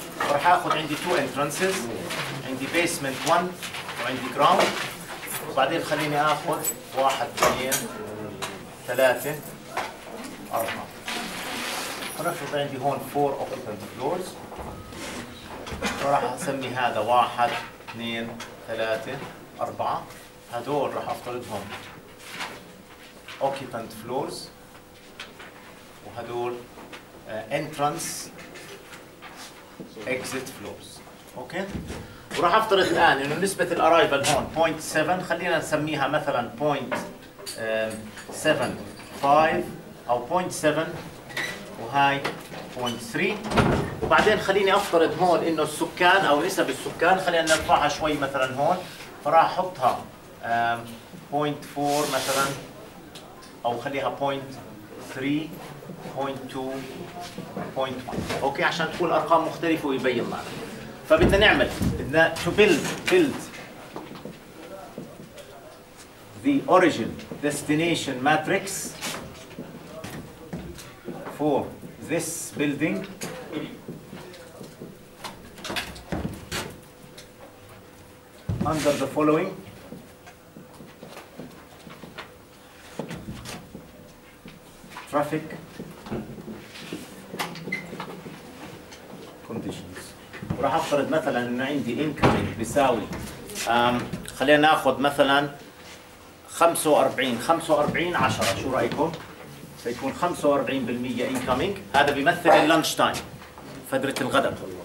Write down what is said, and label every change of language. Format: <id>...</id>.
<ar>راح آخذ عندي two entrances، عندي basement one وعندي ground، وبعدين خليني آخذ 1 2 3 4. راح أحط عندي هون 4 open floors، وراح أسمي هذا 1 2 3 4. هذول راح أفترضهم occupant floors، وهذول entrance exit floors. أوكي. وراح أفترض الآن إنه نسبة الأرايفل هون 0.7، خلينا نسميها مثلاً 0.75 أو 0.7، وهاي 0.3. وبعدين خليني أفترض هون إنه السكان أو نسب السكان، خلينا نرفعها شوي مثلاً هون، فراح أحطها 0.4 مثلاً، أو خليها 0.3 0.2 0.1. أوكي، عشان تكون أرقام مختلفة ويبين معنا. فبدنا نعمل</ar> <en>to build the origin destination matrix for this building. Under the following traffic conditions.</en> <ar>وراح افترض مثلا انه عندي incoming بيساوي خلينا ناخذ مثلا 45 45 10. شو رايكم؟ سيكون 45% incoming، هذا بيمثل اللانش تايم، فترة الغداء.</ar>